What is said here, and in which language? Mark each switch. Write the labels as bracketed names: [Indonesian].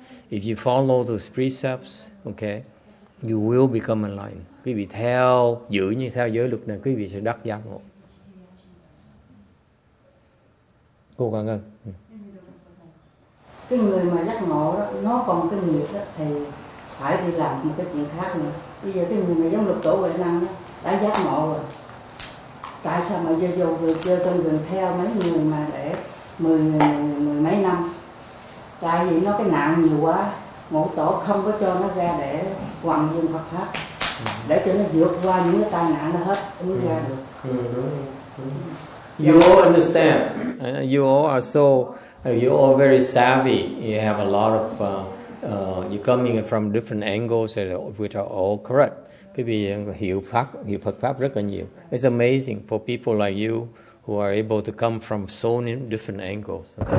[English] If you follow those precepts, okay, you will become enlightened. [Vietnamese] Quý vị theo giữ như theo giới luật này, quý vị sẽ đắc giác ngộ. Cô cảm ơn. Cái người mà giác ngộ đó, nó còn cái nghiệp đó, thì phải đi làm một cái chuyện khác nữa. Bây giờ cái người mà giống lục tổ Huệ Năng đã giác ngộ rồi, tại sao mà vô vừa chơi trong rừng theo mấy người mà để mười mấy năm? Tại vì nó cái nạn nhiều quá, ngũ tổ không có cho nó ra để hoằng dương Phật pháp, để cho nó vượt qua những cái tai nạn nó hết mới ra được. [English] You all understand. You all are so, you all very savvy. You have a lot of, you're coming from different angles which are all correct. [Vietnamese] Quý vị hiểu Phật pháp rất là nhiều. [English] It's amazing for people like you who are able to come from so many different angles.